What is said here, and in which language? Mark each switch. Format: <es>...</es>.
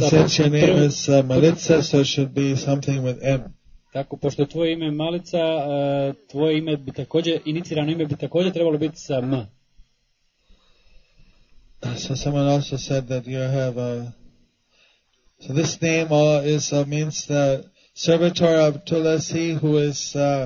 <en>So since your name is Malica, so it should be something with M.</en> <hr>Tako, pošto je tvoje ime Malica, tvoje ime bi također, inicirano ime bi također trebalo biti sa M.</hr> <en>So someone also said that you have a... So this name all is means the servitor of Tulasi, who is...</en>